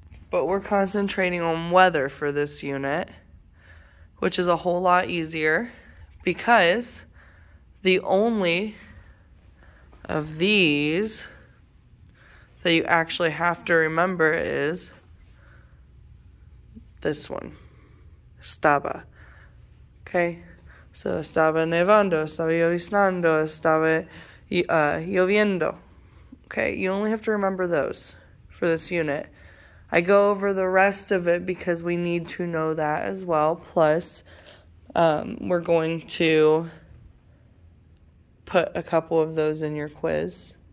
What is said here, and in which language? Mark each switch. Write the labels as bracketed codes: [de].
[en] But we're concentrating on weather for this unit, which is a whole lot easier because the only of these that you actually have to remember is this one, estaba. Okay, so [es] estaba nevando, estaba lloviznando, estaba lloviendo. [en] Okay, you only have to remember those for this unit. I go over the rest of it because we need to know that as well. Plus, we're going to put a couple of those in your quiz.